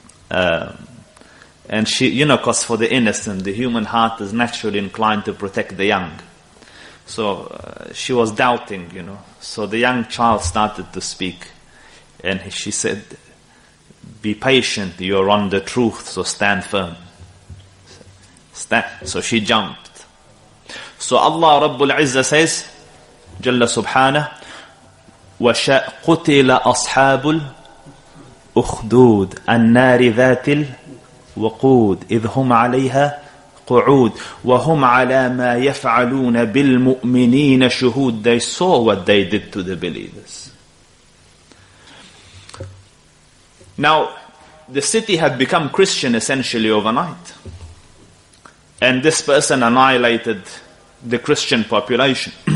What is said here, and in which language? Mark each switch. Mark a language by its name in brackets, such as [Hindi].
[English] And she, you know, because for the innocent, the human heart is naturally inclined to protect the young. So she was doubting, you know. So the young child started to speak. And she said, be patient, you're on the truth, so stand firm. So she jumped. So Allah Rabbul Izzah says, Jalla Subhanah, [Arabic] وَشَاء قُتِلَ أَصْحَابُ الْأُخْدُودِ النَّارِ ذَاتِ الْوَقُودِ إِذْ هُمْ عَلَيْهَا قُعُودِ وَهُمْ عَلَى مَا يَفْعَلُونَ بِالْمُؤْمِنِينَ شُهُودِ. [English] They saw what they did to the believers. Now, the city had become Christian essentially overnight. And this person annihilated the Christian population.